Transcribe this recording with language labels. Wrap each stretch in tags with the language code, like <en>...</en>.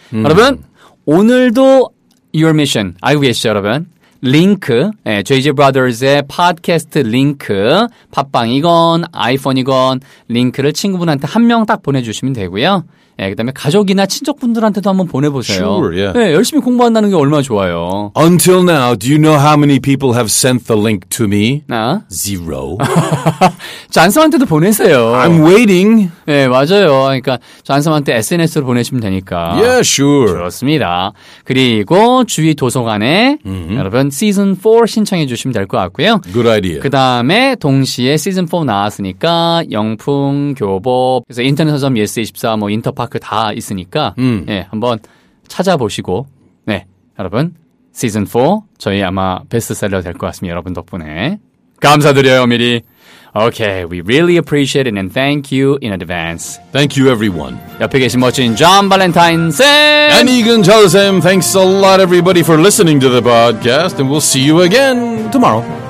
<ko>여러분, 오늘도 Your Mission 알고 계시죠, 여러분? 링크, 네, JJ Brothers의 팟캐스트 링크, 팟빵이건 아이폰이건 링크를 친구분한테 한 명 딱 보내주시면 되고요. 네, 그다음에 가족이나 친척분들한테도 한번 보내보세요.</ko> <en>Sure, yeah.</en> <ko>네, 열심히 공부한다는 게 얼마나 좋아요.</ko> <en>Until now, do you know how many people have sent the link to me?</en> <ko>아?</ko> <en>Zero.</en> <ko>잔섬한테도 보내세요.</ko> <en>I'm waiting.</en> <ko>네, 맞아요. 그러니까 잔섬한테 SNS로 보내시면 되니까.</ko> <en>Yeah, sure.</en> <ko>좋습니다. 그리고 주위 도서관에 mm-hmm. 여러분 시즌4 신청해 주시면 될 것 같고요.</ko> <en>Good idea.</en> <ko>그다음에 동시에 시즌4 나왔으니까 영풍, 교복, 그래서 인터넷 서점 예스24, 뭐 인터 파크 다 있으니까 예, 한번 찾아보시고 네, 여러분 시즌4 저희 아마 베스트셀러 될 것 같습니다. 여러분 덕분에 감사드려요 미리.</ko> <en>Okay, we really appreciate it and thank you in advance. Thank you everyone.</en> <ko>옆에 계신 멋진 존 발렌타인 쌤</ko> <en>and 이근 철 쌤, thanks a lot everybody for listening to the podcast and we'll see you again tomorrow.</en>